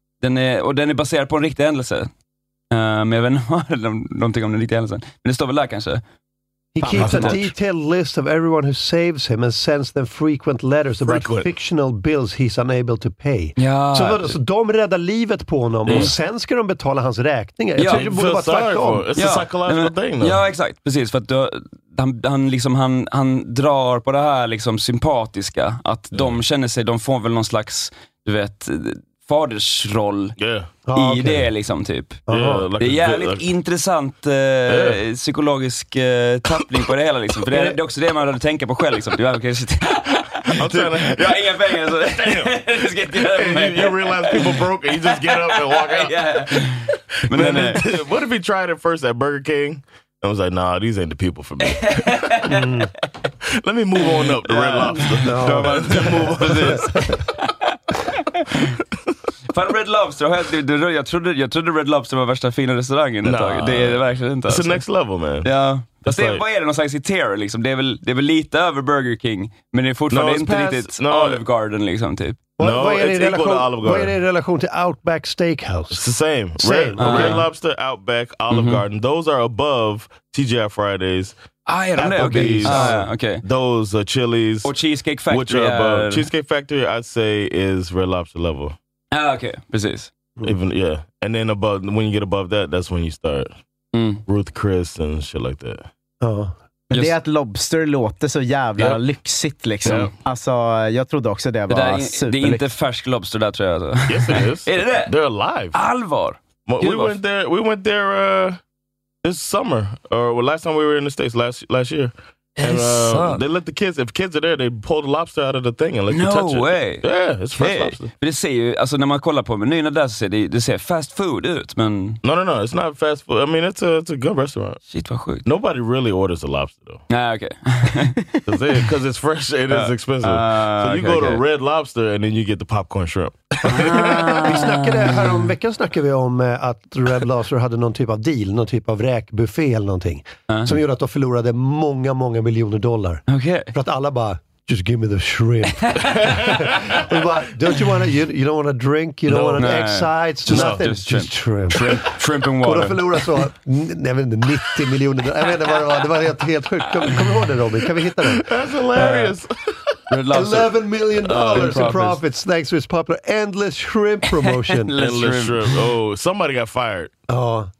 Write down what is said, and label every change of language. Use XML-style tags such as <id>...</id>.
<sv>Den är, och den är baserad på en riktig händelse. Men jag vet inte någonting om den riktiga händelsen. Men det står väl där kanske.</sv> <en>He keeps a detailed list of everyone who saves him and sends them frequent letters about fictional bills he's unable to pay.</en> <sv>Ja. Så alltså, de räddar livet på honom och sen ska de betala hans räkningar. Jag tycker det borde vara tvärtom.</sv> <en>It's a psychological thing.</en> <sv>Ja, exakt. Precis, för att du, han drar på det här liksom sympatiska. Att de känner sig, de får väl någon slags, du vet, fadersroll i det liksom typ.</sv> <en>Yeah,</en> <sv>like det är jävligt intressant psykologisk tappning på det hela liksom. För det är, det är också det man hade tänkt på själv liksom. Du är okay, just... jag har inga pengar så</sv> <en>just get up, you realize people broke and you just get up and walk out. Men then, what if he tried it first at Burger King? I was like, nah, these ain't the people for me. Let me move on up the Red Lobster. No, no. Move on this.</en> <sv>Fan, Red Lobster, jag trodde Red Lobster var värsta fina restaurangen ett tag. Det är det verkligen inte.</sv> <en>It's the next level, man.</en> <sv>Ja. Fast det, like, vad är det någonstans i terror liksom? Det är väl lite över Burger King, men det är fortfarande inte riktigt Olive Garden liksom typ. Vad är det i relation till Outback Steakhouse?</sv> <en>It's the same. Red Lobster, Outback, Olive Garden, those are above TGI Fridays. Ah, yeah, Applebee's, okay. Those are Chili's. Or Cheesecake Factory. Which are above. Cheesecake Factory, I'd say, is Red Lobster level.</en> <sv>Ah, okay, precis.</sv> <en>Even, yeah. And then above, when you get above that, that's when you start. Mm. Ruth Chris and shit like that.</en> <sv>Men det är att lobster låter så jävla lyxigt liksom. Yeah. Alltså, jag trodde också det var superlyxigt. Det är inte färsk lobster där, tror jag. Så.</sv> <en>Yes, it is.</en> <sv>Är det det?</sv> <en>They're alive.</en> <sv>Allvar.</sv> <en>We went there this summer. Or, well, last time we were in the States, last year. And they let the kids, if kids are there, they pull the lobster out of the thing and let you touch it. No way. Yeah, it's fresh lobster.</en> <sv>Men det ser ju, alltså när man kollar på menyn där så ser det ser fast food ut, men...</sv> <en>No, it's not fast food. I mean, it's a good restaurant.</en> <sv>Shit, vad sjukt.</sv> <en>Nobody really orders a lobster, though. Ah, okay. Because it's fresh and it's expensive. So you go to Red Lobster and then you get the popcorn shrimp.</en> <sv>Vi snackade här om veckan, snackade vi om att Red Lobster hade någon typ av deal, någon typ av räkbuffé eller någonting som gjorde att de förlorade många, många miljoner dollar.</sv> <en>Okay.</en> <sv>För att alla bara,</sv> <en>just give me the shrimp.</en> <sv>Och bara,</sv> <en>don't you wanna, you don't wanna drink, you don't wanna egg sides, nothing, just shrimp and water.</en> <sv>Och de förlorade så, jag vet inte, 90 miljoner dollar. Jag vet inte vad det var helt sjukt. Kom ihåg det, Robin, kan vi hitta det?</sv> <en>That's hilarious. 11 million dollars in profits thanks to his popular endless shrimp promotion. endless shrimp. Oh, somebody got fired. Oh.</en>